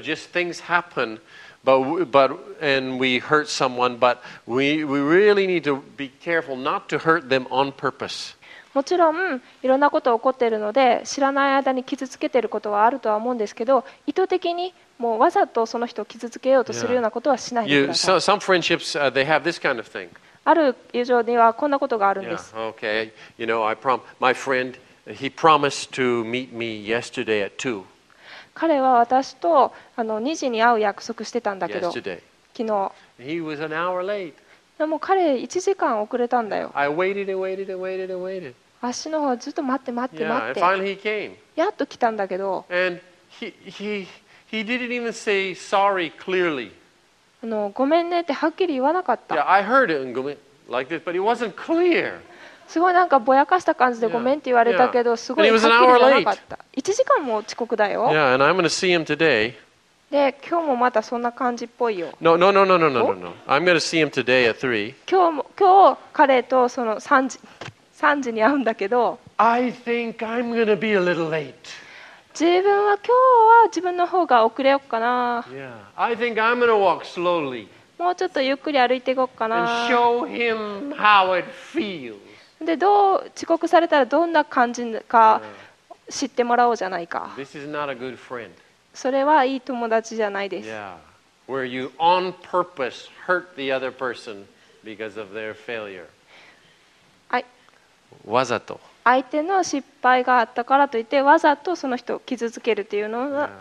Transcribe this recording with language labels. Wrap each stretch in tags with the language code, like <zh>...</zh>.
<en>Just things happen, but and we hurt someone. But we really need to be careful not to hurt them on purpose.</en> <ja>もちろんいろんなことが起こっているので、知らない間に傷つけていることはあるとは思うんですけど、意図的にもうわざとその人を傷つけようとするようなことはしないでください。</ja> <en>Yeah. Some friendships they have this kind of thing.</en> <ja>ある友情にはこんなことがあるんです。</ja> <en>Yeah. Okay. You know, my friend he promised to meet me yesterday at 2.</en> <ja>彼は私と2時に会う約束してたんだけど、昨日。</ja> <en>He was an hour late.</en> <ja>でも彼1時間遅れたんだよ。</ja> <en>I waited and waited and waited and waited.</en> <ja>足の方ずっと待って待って待って。</ja> <en>Yeah, finally he came.</en> <ja>やっと来たんだけど。</ja> <en>And he didn't even say sorry clearly.</en> <ja>ごめんねってはっきり言わなかった。</ja> <en>Yeah, I heard it and ごめん like this, but it wasn't clear.</en> <ja>すごいなんかぼやかした感じでごめんって言われたけど、すごいはっきり言わなかった。 1時間も遅刻だよ。</ja> <en>Yeah, and I'm going to see him today.</en> <ja>で、今日もまたそんな感じっぽいよ。</ja> <en>No, no, no, no, no, no, no. I'm going to see him today at 3.</en> <ja>今日彼とその3時に会うんだけど。</ja> <en>I think I'm going to be a little late.</en> <ja>自分は今日は自分の方が遅れようかな。</ja> <en>Yeah, I think I'm going to walk slowly.</en> <ja>もうちょっとゆっくり歩いていこうかな。</ja> <en>And show him how it feels.</en> <ja>でどう遅刻されたらどんな感じか知ってもらおうじゃないか。</ja> <en>This is not a good friend.</en> <ja>それはいい友達じゃないです。</ja> <en>Yeah. Where you on purpose hurt the other person because of their failure.</en> <ja>わざと。相手の失敗があったからといってわざとその人を傷つけるっていうのは、</ja>